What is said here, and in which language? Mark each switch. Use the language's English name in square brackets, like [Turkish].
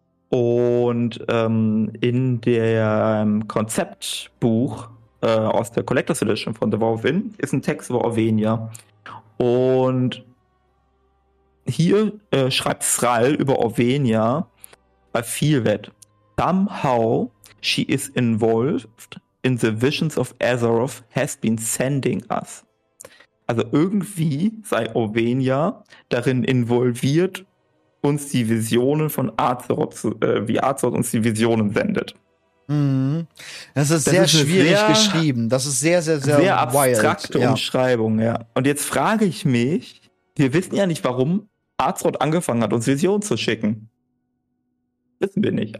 [German] Und in dem Konzeptbuch aus der Collector's Edition von The War of Wind ist ein Text über Ovenia. Und hier schreibt Thrall über Ovenia bei Feelwet. [English] Somehow she is involved in the visions of Azeroth has been sending us. [German] Also irgendwie sei Ovenia darin involviert, uns die Visionen von Azeroth, wie Azeroth uns die Visionen sendet. Das ist sehr schwierig geschrieben. Das ist sehr, sehr, sehr, sehr abstrakte Umschreibung, ja. Und jetzt frage ich mich, wir wissen ja nicht, warum Azeroth angefangen hat, uns Visionen zu schicken. Wissen wir nicht.